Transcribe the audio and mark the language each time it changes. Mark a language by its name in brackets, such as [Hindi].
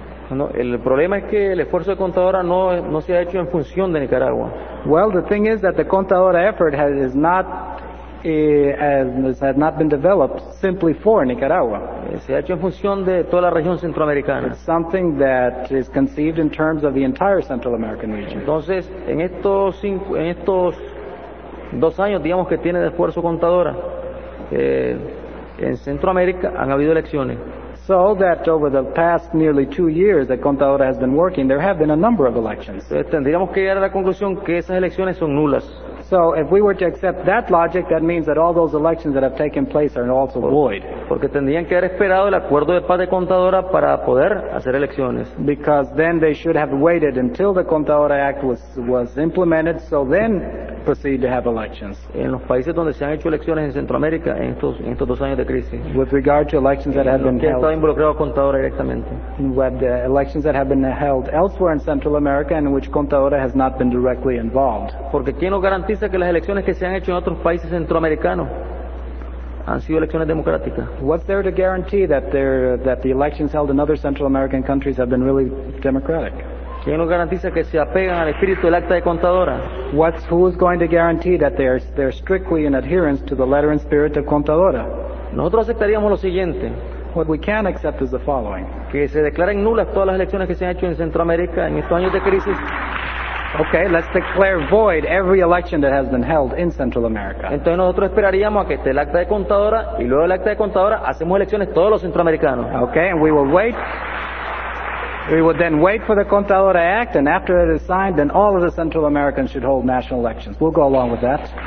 [Spanish] No, el problema es que el esfuerzo de Contadora no se ha hecho en función de Nicaragua. [English] Well, the thing is that the Contadora effort has not been developed simply for Nicaragua. [Spanish] Se ha hecho en función de toda la región centroamericana. [English] It's something that is conceived in terms of the entire Central American region. [Spanish] Entonces, en estos dos años, digamos que tiene de esfuerzo Contadora, en Centroamérica han habido elecciones. [English] So that over the past nearly 2 years that Contadora has been working, there have been a number of elections. [Spanish] Entonces, tendríamos que llegar a la conclusión que esas elecciones son nulas. [English] So if we were to accept that logic, that means that all those elections that have taken place are also void. [Spanish] Porque tendrían que haber esperado el acuerdo de paz de Contadora para poder hacer elecciones. [English] Because then they should have waited until the Contadora Act was implemented, so then proceed to have elections. [Spanish] En los países donde se han hecho elecciones en Centroamérica en estos dos años de crisis. [English] With regard to elections that have been held. [Spanish] En los que ha involucrado Contadora directamente. [English] With the elections that have been held elsewhere in Central America in which Contadora has not been directly involved. [Spanish] Porque ¿quién nos garantiza que las elecciones que se han hecho en otros países centroamericanos han sido elecciones democráticas? [English] What's there to guarantee that the elections held in other Central American countries have been really democratic? [Spanish] ¿Quién nos garantiza que se apegan al espíritu del acta de Contadora? [English] Who's going to guarantee that they're strictly in adherence to the letter and spirit of Contadora? [Spanish] Nosotros aceptaríamos lo siguiente. [English] What we can accept is the following. [Spanish] Que se declaren nulas todas las elecciones que se han hecho en Centroamérica en estos años de crisis. [English] Okay, let's declare void every election that has been held in Central America. [Spanish] Entonces nosotros esperaríamos a que esté el acta de Contadora y luego del acta de Contadora hacemos elecciones todos los centroamericanos. [English] Okay, and we will wait. We would then wait for the Contadora Act, and after it is signed, then all of the Central Americans should hold national elections. We'll go along with that.